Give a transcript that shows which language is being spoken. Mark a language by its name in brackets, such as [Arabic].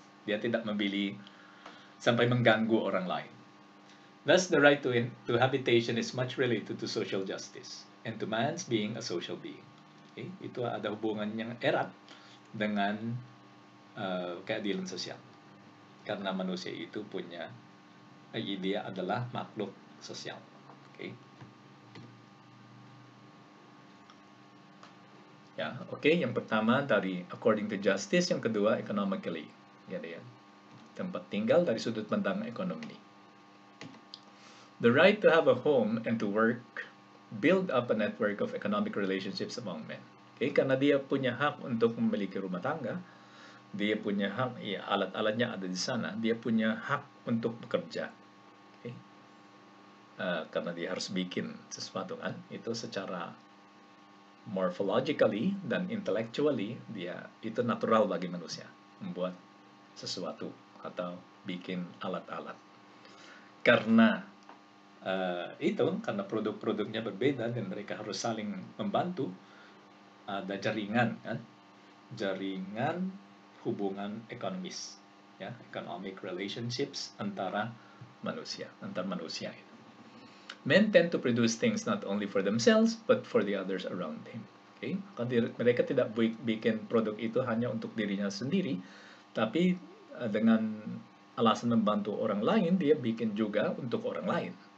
[Indonesian] Dia tidak memilih sampai mengganggu orang lain. [English] Thus, the right to habitation is much related to social justice and to man's being a social being. Okay? [Indonesian] Itu ada hubungan yang erat dengan keadilan sosial. Karena manusia itu punya, dia adalah makhluk sosial. Okay? Ya, okay. Yang pertama dari [English] according to justice, [Indonesian] yang kedua [English] economically. [Indonesian] Jadi, tempat tinggal dari sudut pandang ekonomi. [English] The right to have a home and to work build up a network of economic relationships among men. [Indonesian] Okay, karena dia punya hak untuk memiliki rumah tangga, dia punya hak, ya, alat-alatnya ada di sana, dia punya hak untuk bekerja. Okay. Karena dia harus bikin sesuatu, kan? Itu secara [English] morphologically [Indonesian] dan [English] intellectually, [Indonesian] dia itu natural bagi manusia membuat sesuatu atau bikin alat-alat. Karena itu, karena produk-produknya berbeda dan mereka harus saling membantu, ada jaringan, kan? Jaringan hubungan ekonomis, ya, [English] economic relationships [Indonesian] antar manusia. Itu. [English] Men tend to produce things not only for themselves but for the others around them. Okay? [Indonesian] Mereka tidak bikin produk itu hanya untuk dirinya sendiri, tapi dengan alasan membantu orang lain, dia bikin juga untuk orang lain.